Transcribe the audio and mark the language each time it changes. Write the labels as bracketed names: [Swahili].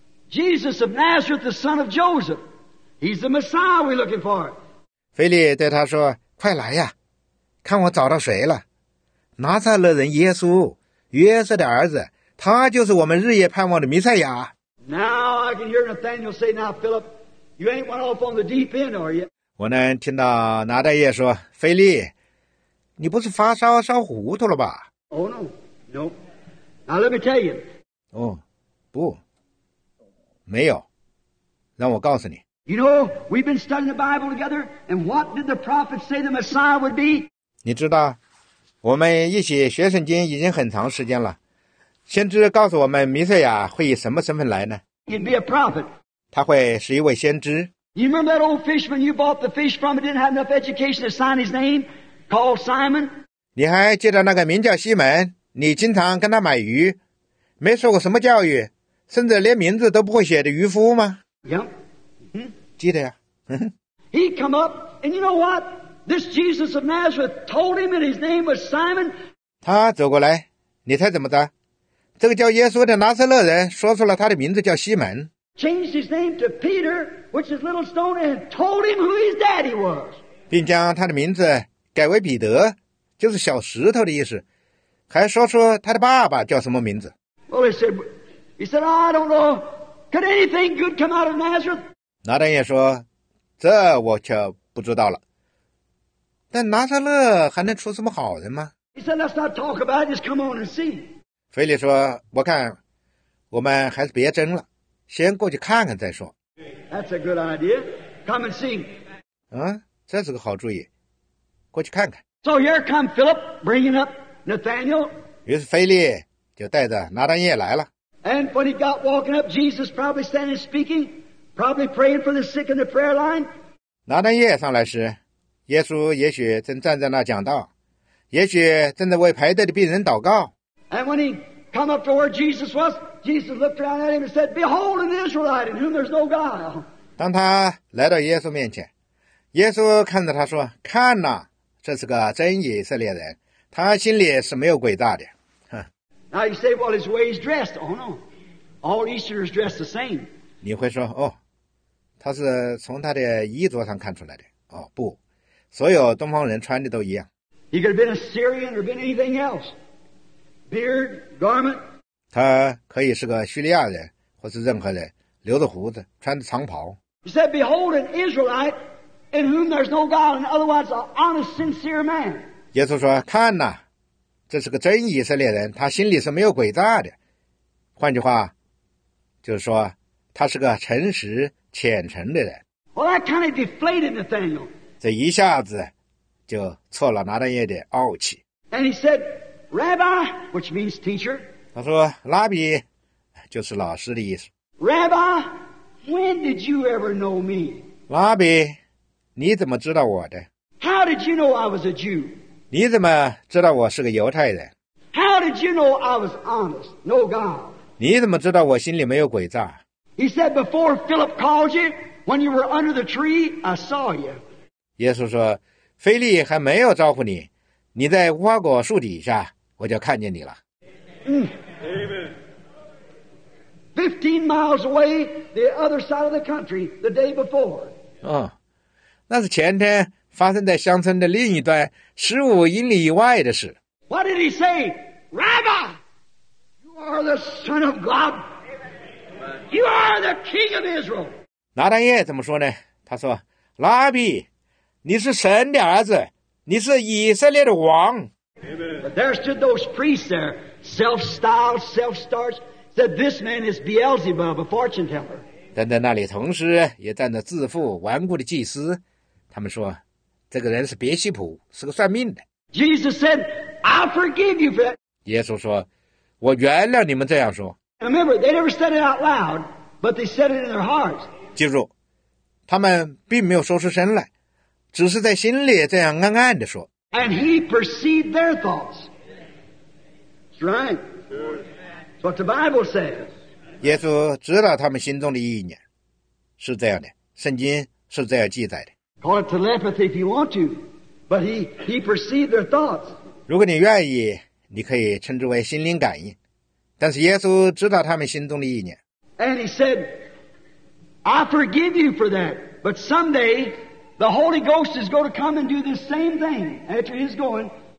[English] Jesus of Nazareth, the son of Joseph. He's the Messiah we're looking for." [Chinese] 菲利对他说：“快来呀，看我找到谁了？拿撒勒人耶稣，约瑟的儿子，他就是我们日夜盼望的弥赛亚。” [English] Now I can hear Nathaniel say, "Now Philip." You ain't went off on the deep end, are you? [Chinese] 我能听到拿大爷说，菲利，你不是发烧烧糊涂了吧 [English] ？Oh no, no. Now let me tell you. [Chinese] 哦，不，没有。让我告诉你。 [English] You know we've been studying the Bible together, and what did the prophet say the Messiah would be? [Chinese] 你知道，我们一起学圣经已经很长时间了。先知告诉我们，弥赛亚会以什么身份来呢 [English] ？He'd be a prophet. [Chinese] 他会是一位先知。 [English] You remember that old fisherman you bought the fish from? He didn't have enough education to sign his name, called Simon. [Chinese] 你还记得那个名叫西门？你经常跟他买鱼，没受过什么教育，甚至连名字都不会写的渔夫吗 [English] ？Yeah. [Chinese] 记得呀。 [English] He come up, and you know what? This Jesus of Nazareth told him that his name was Simon. [Chinese] 他走过来，你猜怎么着？这个叫耶稣的拿撒勒人说出了他的名字叫西门。 [English] Changed his name to Peter, which is little stone, and told him who his daddy was. [Chinese] 并将他的名字改为彼得，就是小石头的意思，还说出他的爸爸叫什么名字。 [English] Well, he said, "Oh, I don't know. Could anything good come out of Nazareth?" [Chinese] 拿单也说，这我却不知道了。但拿撒勒还能出什么好人吗 [English] ？He said, "Let's not talk about it. Just come on and see." [Chinese] 腓力说，我看我们还是别争了。先过去看看再说。 [English] That's a good idea. Come and see. [Chinese] 这是个好主意。过去看看。 [English] So here come Philip bringing up Nathaniel. [Chinese] 于是腓力就带着拿单叶来了。 [English] And when he got walking up, Jesus probably standing speaking, probably praying for the sick in the prayer line. [Chinese] 拿单叶上来时，耶稣也许正站在那讲道，也许正在为排队的病人祷告。 [English] And when he come up to where Jesus was. Jesus looked around at him and said, "Behold, an Israelite in whom there's no guile." [Chinese] 当他来到耶稣面前，耶稣看着他说：“看哪，这是个真以色列人，他心里是没有诡诈的。” [English] Now you say, "Well, his way is dressed." Oh no, all Easterners dress the same. [Chinese] 你会说：“哦，他是从他的衣着上看出来的。” 哦，不，所有东方人穿的都一样。 [English] He could have been a Syrian or been anything else. Beard, garment. [Chinese] 他可以是个叙利亚人，或是任何人，留着胡子，穿着长袍。 [English] He said, "Behold, an Israelite in whom there's no guile, and otherwise an honest, sincere man." [Chinese] 耶稣说：“看哪，这是个真以色列人，他心里是没有诡诈的。换句话，就是说，他是个诚实、虔诚的人。” [English] Well, that kind of deflated Nathaniel. [Chinese] 这一下子就挫了拿单叶的傲气。 [English] And he said, "Rabbi," which means teacher. [Chinese] 他说拉比就是老师的意思。 [English] Rabbi, when did you ever know me? [Chinese] 拉比你怎么知道我的 [English] ?How did you know I was a Jew? [Chinese] 你怎么知道我是个犹太人 [English] ?How did you know I was honest, no God? [Chinese] 你怎么知道我心里没有诡诈 [English] ?He said, "Before Philip called you, when you were under the tree, I saw you." [Chinese] 耶稣说腓力还没有招呼你，你在无花果树底下我就看见你了。 [English] 15 miles away, the other side of the country, the day before. [Chinese] 那是前天发生在乡村的另一端，15英里以外的事。 [English] What did he say, "Rabbi, you are the Son of God. You are the King of Israel." [Chinese] 拿单叶怎么说呢？他说：“拉比，你是神的儿子，你是以色列的王。” [English] But there stood those priests there. Self-styled, self-starched, said this man is Beelzebub, a fortune teller. [Chinese] 但在那里同时也站着自负顽固的祭司，他们说这个人是别西卜，是个算命的。 [English] Jesus said, I forgive you for that. [Chinese] 耶稣说我原谅你们这样说。 [English] Remember, they never said it out loud, but they said it in their hearts. [Chinese] 记住他们并没有说出声来，只是在心里这样暗暗地说。 [English] And he perceived their thoughts. That's right. That's what the Bible says. [Chinese] 耶稣知道他们心中的意念，是这样的，圣经是这样记载的。 [English] Call it telepathy if you want to, but he perceived their thoughts. [Chinese] 如果你愿意，你可以称之为心灵感应，但是耶稣知道他们心中的意念。 [English] And he said, I forgive you for that, but someday the Holy Ghost is going to come and do the same thing after he's going.